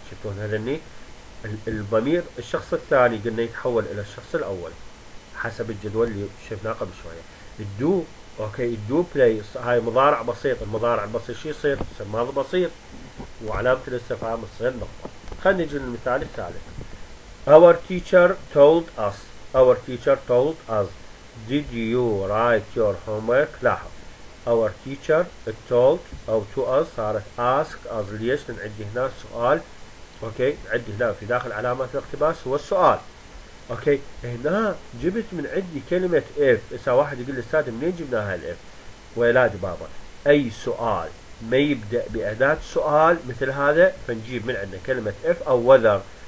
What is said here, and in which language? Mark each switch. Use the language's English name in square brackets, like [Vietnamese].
[Arabic] شفتون هذني الضمير الشخص الثاني قلنا يتحول الى الشخص الاول حسب الجدول اللي شفناه قبل شويه. الدو، اوكي، الدو بلاي هاي مضارع بسيط، المضارع البسيط شو يصير؟ يصير ماضي بسيط وعلامه الاستفهام تصير نقطه. خلينا نجي للمثال الثالث. [English] Our teacher told us. Our teacher told us. Did you write your homework? [Arabic] لاحظ. [English] Our teacher told [Arabic] او [English] to us [Arabic] صارت [English] ask us. [Arabic] ليش؟ لان عندي هنا سؤال، اوكي، عندي هنا في داخل علامات الاقتباس هو السؤال. اوكي، هنا جبت من عندي كلمة if. اذا واحد يقول لي استاذ منين جبناها الاف؟ ويلاد بابا، اي سؤال ما يبدا باداة سؤال مثل هذا فنجيب من عندنا كلمة if او whether.